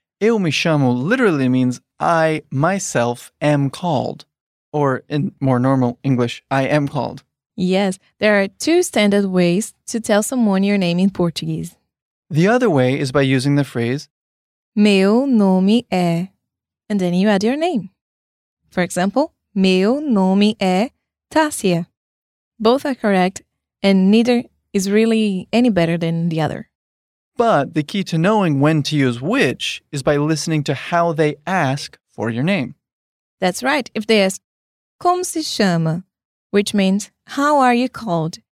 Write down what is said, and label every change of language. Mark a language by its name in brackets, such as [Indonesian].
[Portuguese] Eu me chamo [English] literally means I, myself, am called. Or in more normal English, I am called. Yes, there are two standard ways to tell someone your name in Portuguese. The other way is by using the phrase [Portuguese] meu nome é, [English] and then you add your name. For example, [Portuguese] meu nome é Tássia. [English] Both are correct, and neither is really any better than the other. But the key to knowing when to use which is by listening to how they ask for your name. That's right. If they ask, [Portuguese] como se chama, [English] which means, how are you called?